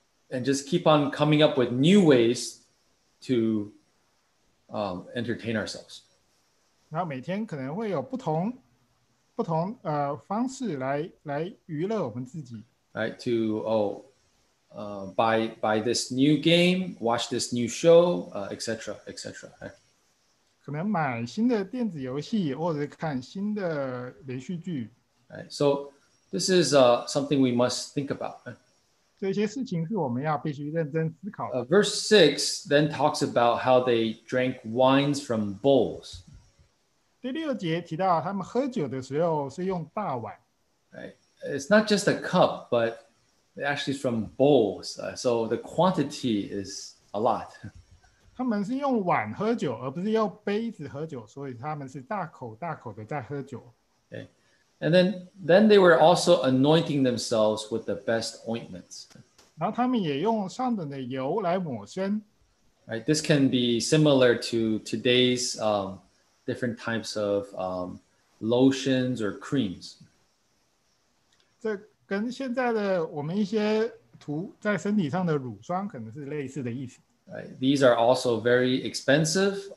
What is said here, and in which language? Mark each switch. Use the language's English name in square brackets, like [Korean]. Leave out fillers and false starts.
[English] And just keep on coming up with new ways to entertain ourselves. [Chinese] 然后每天可能会有不同方式来娱乐我们自己。 [English] Right, to buy this new game, watch this new show, etc., etc. [Chinese] 可能买新的电子游戏或者看新的连续剧。 [English] Right, so this is something we must think about. [Chinese] 这些事情是我们要必须认真思考的。 [English] Verse 6 then talks about how they drank wines from bowls. [Chinese] 第六节提到他们喝酒的时候是用大碗。 [English] Right. It's not just a cup, but it actually is from bowls. So the quantity is a lot. [Chinese] 他们是用碗喝酒而不是用杯子喝酒，所以他们是大口大口的在喝酒。 [English] And then they were also anointing themselves with the best ointments. [Chinese] 然后他们也用上等的油来抹身。 [English] Right, this can be similar to today's different types of lotions or creams. [Chinese] 这跟现在的我们一些涂在身体上的乳霜可能是类似的意思。 [English] Right, these are also very expensive.